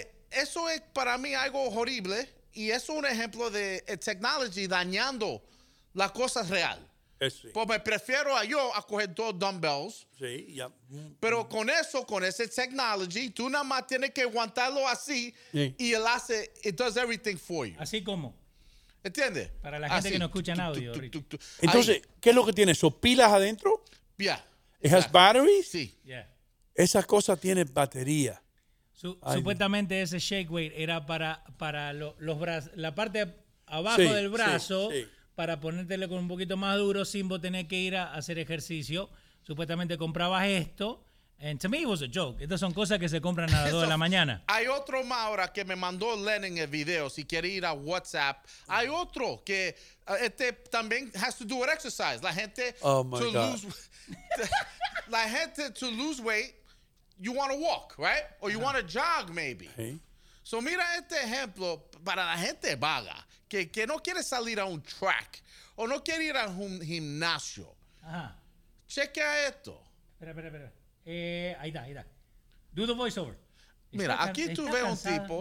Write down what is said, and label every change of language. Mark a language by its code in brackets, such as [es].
[es] Eso es para mí algo horrible. Y eso es un ejemplo de technology dañando las cosas reales. Sí. Pues me prefiero a yo a coger 2 dumbbells. Sí, ya. Pero con eso, con ese technology, tú nada más tienes que aguantarlo así sí. Y él hace, [en] it does everything for you. [es] ¿Así cómo? ¿Entiendes? Para la gente así, que no escucha en audio. Tú. Entonces, ahí. ¿Qué es lo que tiene eso? ¿Pilas adentro? Ya. Yeah. [en] ¿Has batteries? [es] Sí. [en] Yeah. [es] Esa cosa tiene batería. Supuestamente ese shake weight era para los brazos, la parte abajo sí, del brazo. Sí, sí. Para ponértelo con un poquito más duro, sin vos tener que ir a hacer ejercicio. Supuestamente comprabas esto. [en] And to me, it was a joke. [es] Estas son cosas que se compran a las 2 de la mañana. Hay otro más ahora que me mandó Lennon el video, si quiere ir a WhatsApp. Uh-huh. Hay otro que también [en] has to do with exercise. [es] La gente... [en] Oh, my God. [es] la gente [en] to lose weight, you want to walk, right? Or you uh-huh. want to jog, maybe. Uh-huh. [es] So mira este ejemplo para la gente vaga. Que no quiere salir a un track o no quiere ir a un gimnasio. Ajá. Chequea esto. Espera. Ahí está. [en] Do the voiceover. [es] Mira, aquí tú ves un tipo.